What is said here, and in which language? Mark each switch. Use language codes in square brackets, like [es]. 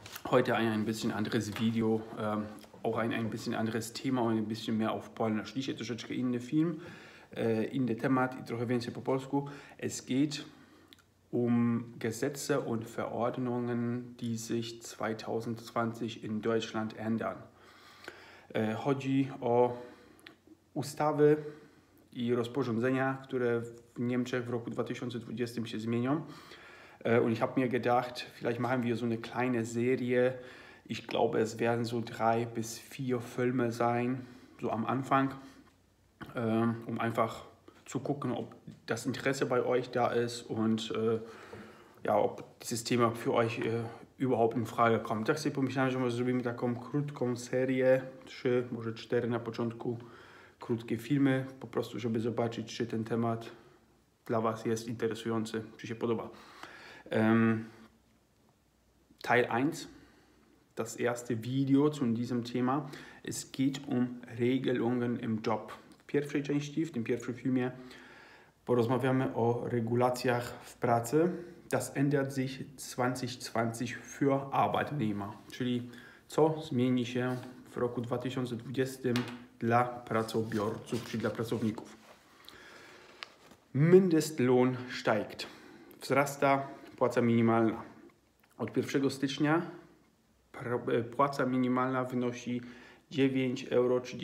[de] Heute ein bisschen anderes Video, auch ein bisschen anderes Thema und ein bisschen mehr auf Polnisch. [pl] Dzisiaj troszeczkę inny film, inny temat i trochę więcej po polsku. [de] Es geht um Gesetze und Verordnungen, die sich 2020 in Deutschland ändern. [pl] Chodzi o ustawy i rozporządzenia, które w Niemczech w roku 2020 się zmienią. [de] Und ich habe mir gedacht, vielleicht machen wir so eine kleine Serie. Ich glaube, es werden so 3 bis 4 Filme sein, so am Anfang, um einfach zu gucken, ob das Interesse bei euch da ist und ja, ob dieses Thema für euch überhaupt in Frage kommt. [pl] Tak sobie pomyślałem, że może zrobimy taką krótką serię, 3, może 4 na początku, krótkie filmy, po prostu, żeby zobaczyć, czy ten temat dla was jest interesujący, czy się podoba. [de] Teil 1, das erste Video zu diesem Thema. Es geht um Regelungen im Job. [pl] W pierwszej części, w tym pierwszym filmie, porozmawiamy o regulacjach w pracy. [de] Das ändert sich 2020 für Arbeitnehmer. [pl] Czyli co zmieni się w roku 2020 dla pracobiorców, czyli dla pracowników. [de] Mindestlohn steigt. [pl] Wzrasta płaca minimalna. Od 1 stycznia płaca minimalna wynosi 9,35 euro.